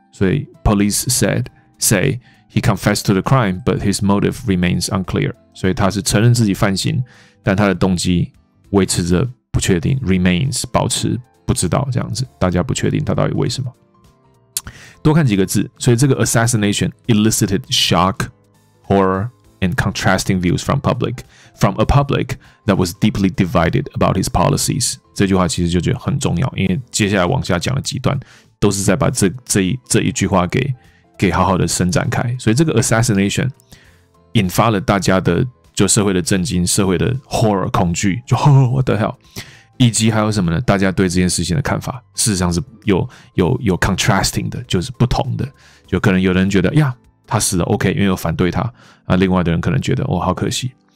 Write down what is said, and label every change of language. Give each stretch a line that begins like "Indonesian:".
English: 所以 police say he confessed to the crime, but his motive remains unclear.
Chinese: 所以他是承认自己犯行，但他的动机维持着不确定 ，remains 保持不知道这样子，大家不确定他到底为什么。多看几个字，所以
English: 这个 assassination elicited shock, horror, and contrasting views from a public that was deeply divided about his policies.
Chinese: 这句话其实就觉得很重要，因为接下来往下讲了几段。都是在把 这一句话 给好好的伸展开，所以这个 assassination 引发了大家的就社会的震惊、社会的 horror 恐惧，就
English: what the hell，
Chinese: 以及还有什么呢？大家对这件事情的看法，事实上是有 contrasting 的，就是不同的，就可能有人觉得呀，他死了 OK， 因为有反对他啊，另外的人可能觉得哦，好可惜。